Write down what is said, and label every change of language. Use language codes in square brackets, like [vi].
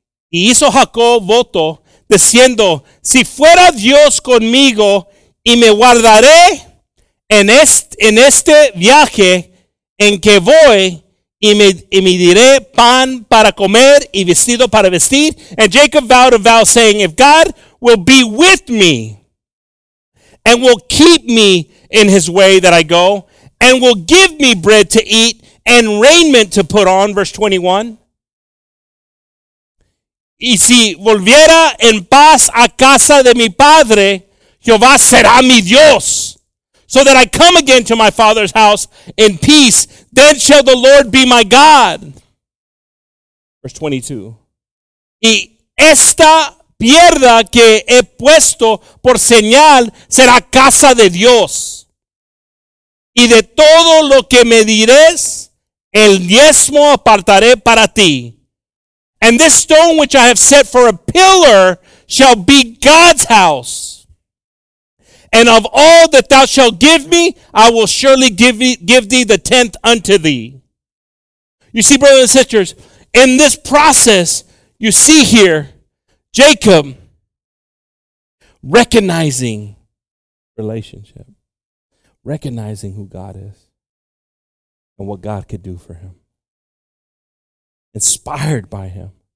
[es] Y hizo Jacob voto, diciendo, si fuera Dios conmigo, y me guardaré en este viaje en que voy, Y me diré pan para comer y vestido para vestir. [en] And Jacob vowed a vow saying, if God will be with me and will keep me in his way that I go and will give me bread to eat and raiment to put on, verse 21. [es] Y si volviera en paz a casa de mi padre, Jehová será mi Dios. [en] So that I come again to my father's house in peace, then shall the Lord be my God. Verse 22. [es] Y esta piedra que he puesto por señal será casa de Dios. Y de todo lo que me dirás, el diezmo apartaré para ti. [en] And this stone which I have set for a pillar shall be God's house. And of all that thou shalt give me, I will surely give thee the tenth unto thee. You see, brothers and sisters, in this process, you see here, Jacob recognizing relationship, recognizing who God is and what God could do for him, inspired by him.